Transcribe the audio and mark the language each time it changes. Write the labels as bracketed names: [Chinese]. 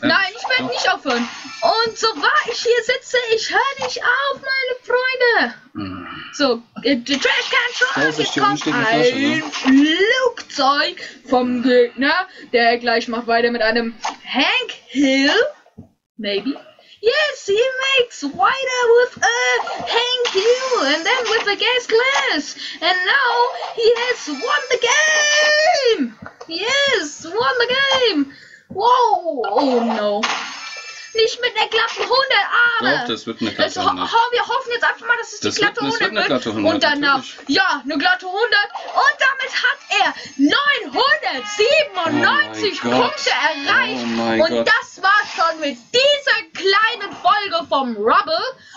[German] Nein, ich werde nicht aufhören. Und so war ich hier sitze, ich höre nicht auf, meine Freunde. So, Trash Can Trunk, jetzt kommt ein Flugzeug vom Gegner, der gleich macht weiter mit einem Hank Hill, [English] maybe. Yes, he makes [German] weiter [English] with a Hank Hill and then with a gas class. And now he has won the game. Yes, won the game. Whoa, oh no. [German] nicht mit einer glatten 100, Arne. Doch, das wird eine glatte 100. Wir hoffen jetzt einfach mal, dass es die glatte 100 wird. Glatte 100, und danach, natürlich. Ja, eine glatte 100. Und damit hat er 997 Punkte erreicht. Oh mein Gott. Das war schon mit dieser kleinen Folge vom Rubble.